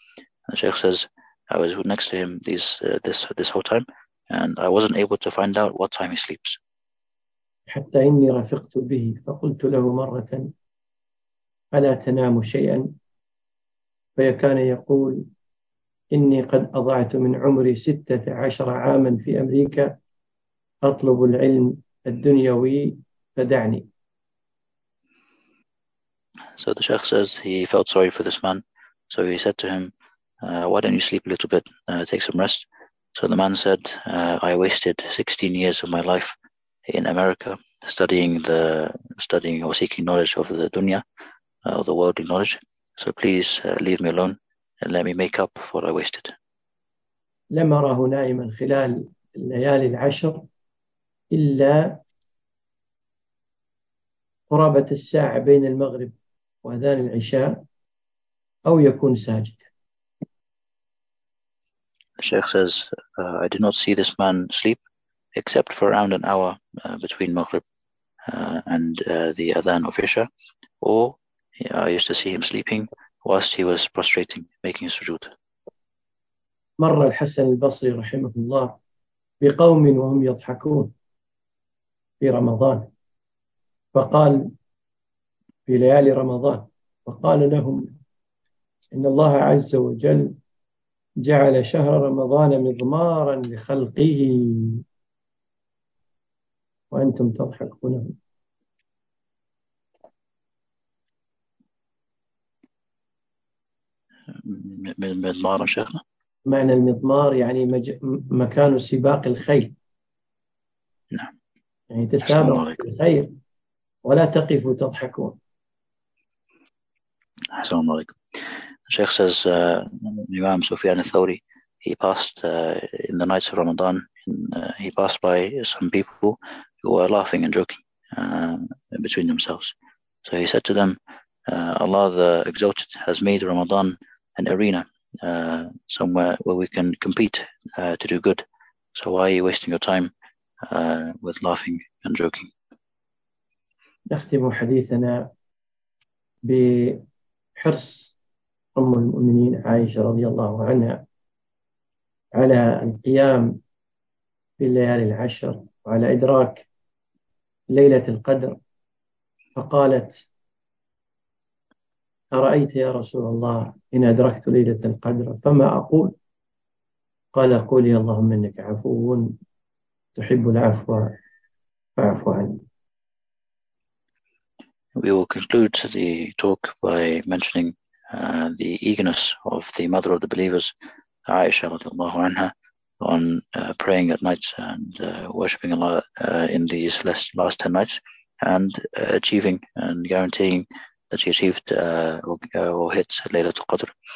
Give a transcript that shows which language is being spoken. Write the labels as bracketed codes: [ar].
[en] And the Sheikh says, I was next to him this whole time, and I wasn't able to find out what time he sleeps. [ar] حتى إني رفقت به فقلت له مرة ألا تنام شيئا فكان يقول إني قد أضعت من عمري 16 عاما في أمريكا أطلب العلم الدنيوي فدعني. [en] So the Sheikh says he felt sorry for this man. So he said to him, why don't you sleep a little bit, take some rest? So the man said, I wasted 16 years of my life in America studying or seeking knowledge of the dunya, or the worldly knowledge. So please leave me alone and let me make up for what I wasted. [ar] لم أره نائما خلال الليالي العشر إلا قرابة الساعة بين المغرب وأذان العشاء أو يكون ساجدا. [en] The Sheikh says, I did not see this man sleep except for around an hour between Maghrib the Adhan of Isha, or I used to see him sleeping whilst he was prostrating, making sujood. [ar] مر الحسن البصري رحمه الله بقوم وهم يضحكون في رمضان فقال في ليالي رمضان فقال لهم إن الله عز وجل جعل شهر رمضان مضمارا لخلقه وأنتم تضحكون. مضمار شيخنا؟ معنى المضمار يعني مكان سباق الخيل. نعم. يعني تسابق الخيل ولا تقف تضحكون. السلام عليكم. [en] Sheikh says Imam Sufyan al-Thawri, he passed in the nights of Ramadan, he passed by some people who were laughing and joking between themselves. So he said to them, Allah the Exalted has made Ramadan an arena, somewhere where we can compete to do good. So why are you wasting your time with laughing and joking? [ar] نختم حديثنا بحرص أم المؤمنين عائشة رضي الله عنها على القيام في الليالي العشر وعلى إدراك ليلة القدر فقالت أرأيت يا رسول الله إن أدركت ليلة القدر فما أقول؟ قال قولي اللهم إنك عفو تحب العفو فاعف عني. [en] We will conclude the talk by mentioning the eagerness of the mother of the believers, Aisha radiallahu anha, on praying at night and worshipping Allah in these last 10 nights, and achieving and guaranteeing that she achieved or hit Laylatul Qadr.